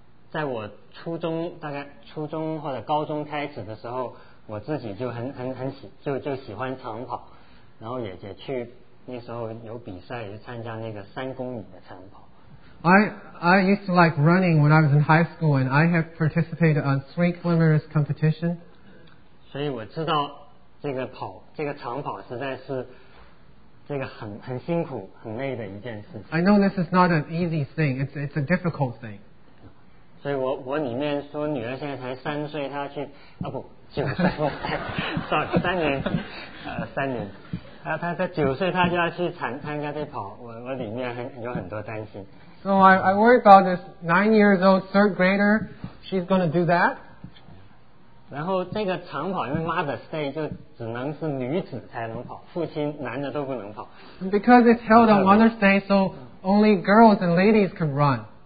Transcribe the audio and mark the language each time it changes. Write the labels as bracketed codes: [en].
[zh] 在我初中大概初中或者高中开始的时候，我自己就很喜欢长跑，然后也去那时候有比赛，就参加那个3公里的长跑。 [en] I used to like running when I was in high school, and I have participated on three kilometers competition. [zh] 所以我知道这个跑这个长跑实在是这个很辛苦很累的一件事情。 [en] I know this is not an easy thing. It's a difficult thing. [zh] 所以我里面说女儿现在才三岁，她要去啊不九岁，sorry 三年。他在九岁他就要去参加这跑，我里面有很多担心。 [en] So I worry about this 9 years old third grader. She's going to do that. [zh] 然后这个长跑，因为 Mother's Day 就只能是女子才能跑，父亲男的都不能跑。 [en] Because it's held on Mother's Day, so only girls and ladies can run.